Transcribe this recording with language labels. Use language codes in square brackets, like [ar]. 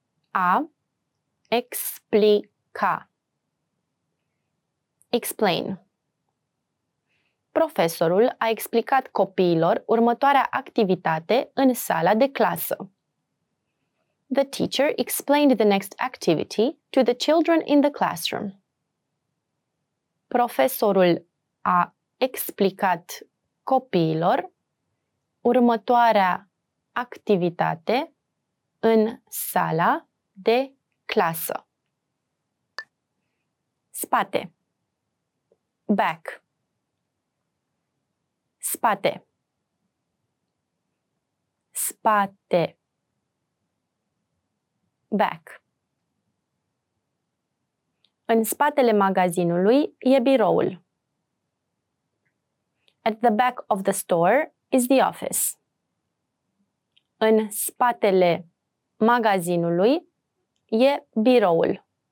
[ro] A explica. [en] Explain. [ro] Profesorul a explicat copiilor următoarea activitate în sala de clasă. [en] The teacher explained the next activity to the children in the classroom. [ro] Profesorul a explicat copiilor următoarea activitate în sala de clasă. Spate. [en] Back. [ro] Spate. Spate. [en] Back. [ro] În spatele magazinului e biroul. [en] At the back of the store is the office. [ro] În spatele magazinului e biroul.